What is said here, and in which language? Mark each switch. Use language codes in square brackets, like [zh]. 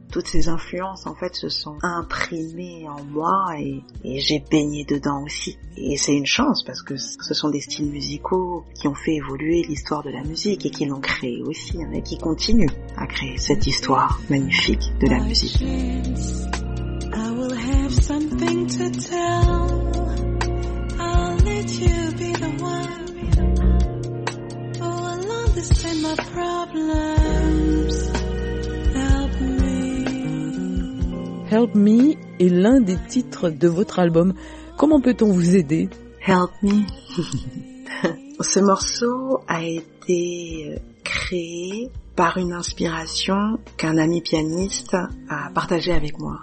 [fr] Toutes ces influences, en fait, se sont imprimées en moi et j'ai baigné dedans aussi. Et c'est une chance parce que ce sont des styles musicaux qui ont fait évoluer l'histoire de la musique et qui l'ont créée aussi, hein, et qui continuent à créer cette histoire magnifique de la musique. [en] I will have something to tell. I'll let you be the one. Oh, I'll understand my problems. Help me. [fr] Help me est l'un des titres de votre album. Comment peut-on vous aider? [en] Help me. [fr] Ce morceau a été créé par une inspiration qu'un ami pianiste a partagé avec moi.